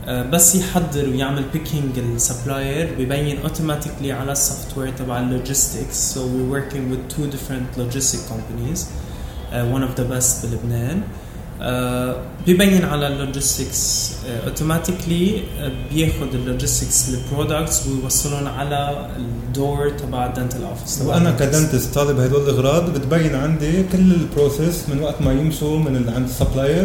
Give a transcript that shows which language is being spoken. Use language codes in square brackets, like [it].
[ar] بس يحضر ويعمل بيكينج السبلاير ببين اوتوماتيكلي على السوفت وير تبع اللوجيستكس. [en] So we're working with 2 different logistic companies, one of the best [ar] بلبنان. ببين على اللوجيستكس اوتوماتيكلي بياخذ اللوجيستكس للبرودكتس ويوصلهم على الدور تبع الدنتال اوفيس. وانا كدنتست طالب هدول الاغراض بتبين عندي كل البروسيس من وقت ما يمشوا من عند السبلاير